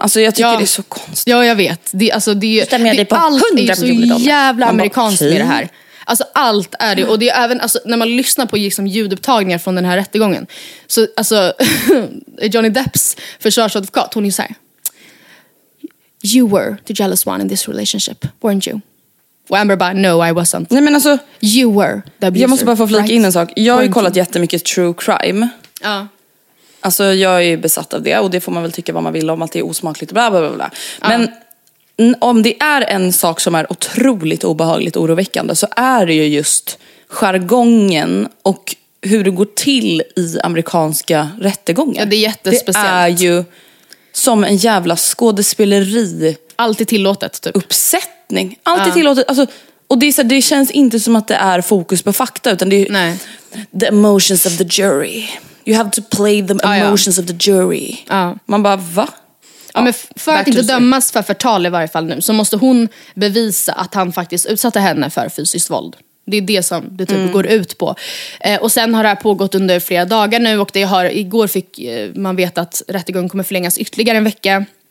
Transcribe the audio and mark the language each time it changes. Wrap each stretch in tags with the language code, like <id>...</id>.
<sv>Alltså jag tycker det är så konstigt. Ja, jag vet. Det, alltså, det, stämmer det, jag dig på $100 miljoner? Allt är så jävla amerikanskt med det här. Alltså allt är det. Och det är även, alltså, när man lyssnar på liksom, ljudupptagningar från den här rättegången. Så alltså, Johnny Depps försvarsadvokat, hon är så här.</sv> <en>You were the jealous one in this relationship, weren't you?</en> <sv>Och Amber bara,</sv> <en>no, I wasn't.</en> <sv>Nej, men alltså,</sv> <en>you were the abuser.</en> <sv>Jag måste bara få flika in en sak. Jag har ju kollat jättemycket true crime. Ja. Alltså, jag är ju besatt av det. Och det får man väl tycka vad man vill om, att det är osmakligt. Bla, bla, bla, bla. Ja. Men om det är en sak som är otroligt obehagligt och oroväckande, så är det ju just jargongen och hur det går till i amerikanska rättegången. Ja, det är jättespeciellt. Det är ju som en jävla skådespeleri. Allt är tillåtet, typ. Uppsätt. Allt är tillåtet. Alltså, och det, är så här, det känns inte som att det är fokus på fakta, utan det är nej.</sv> <en>The emotions of the jury. You have to play the emotions of the jury.</en> <sv>Man bara, va? Ja, men för att inte dömas för förtal i varje fall nu, så måste hon bevisa att han faktiskt utsatte henne för fysiskt våld. Det är det som det typ går ut på. Och sen har det här pågått under flera dagar nu, och det har, igår fick man veta att rättegången kommer förlängas ytterligare en vecka.</sv>